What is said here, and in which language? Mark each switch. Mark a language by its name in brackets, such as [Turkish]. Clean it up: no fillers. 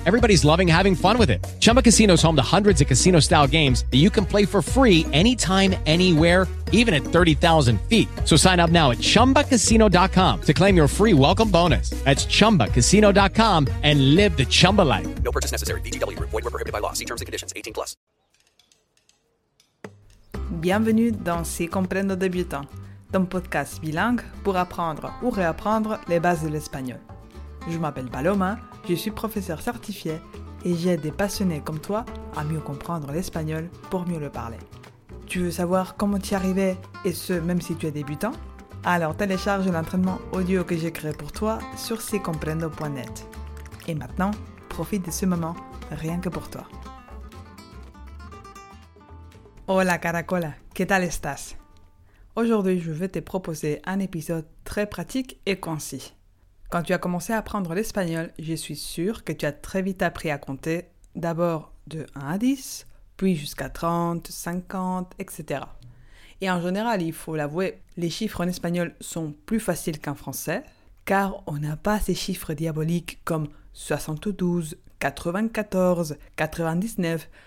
[English] Everybody's loving having fun with it. Chumba Casino is home to hundreds of casino-style games that you can play for free anytime, anywhere, even at 30,000 feet. So sign up now at chumbacasino.com to claim your free welcome bonus. That's chumbacasino.com and live the Chumba life. No purchase necessary. VGW. Void where prohibited by law. See terms and conditions. 18 plus. [French] Bienvenue dans C'est comprendre débutant, ton podcast bilingue pour apprendre ou réapprendre les bases de l'espagnol. Je m'appelle Paloma, je suis professeur certifié et j'aide des passionnés comme toi à mieux comprendre l'espagnol pour mieux le parler. Tu veux savoir comment t'y arriver et ce même si tu es débutant? Alors télécharge l'entraînement audio que j'ai créé pour toi sur secomprendo.net. Et maintenant, profite de ce moment rien que pour toi. [Spanish] Hola Caracola, ¿qué tal estás? [French] Aujourd'hui, je vais te proposer un épisode très pratique et concis. Quand tu as commencé à apprendre l'espagnol, je suis sûre que tu as très vite appris à compter d'abord de 1 à 10, puis jusqu'à 30, 50, etc. Et en général, il faut l'avouer, les chiffres en espagnol sont plus faciles qu'en français, car on n'a pas ces chiffres diaboliques comme 72, 94, 99.